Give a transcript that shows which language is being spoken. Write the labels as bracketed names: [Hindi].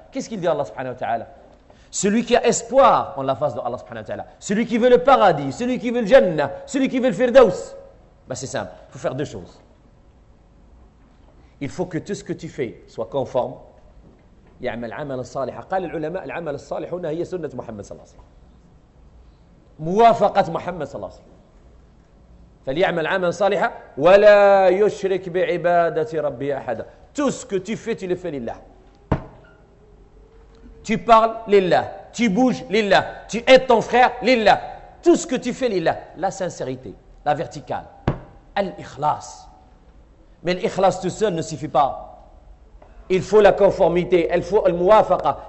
[French] Qu'est-ce qu'il dit Allah subhanahu wa ta'ala? Celui qui a espoir en la face de Allah subhanahu wa ta'ala, celui qui veut le paradis, celui qui veut le jannah, celui qui veut le firdaus. Bah c'est simple, il faut faire deux choses. Il faut que tout ce que tu fais soit conforme [Arabic] يعمل عمل الصالح. قال العلماء العمل الصالح هنا هي سنة محمد صلى الله عليه وسلم. موافقة محمد صلى الله عليه وسلم. فليعمل عمل صالح ولا يشرك بعبادة ربه أحدا. [French] Tout ce que tu fais, tu le fais لله. Tu parles لله. Tu bouges لله. Tu aides ton frère لله. Tout ce que tu fais لله. La sincérité, la verticale, l'ikhlas. Mais l'ikhlas tout seul ne suffit pas. Il faut la conformité, il faut la mouafaqa.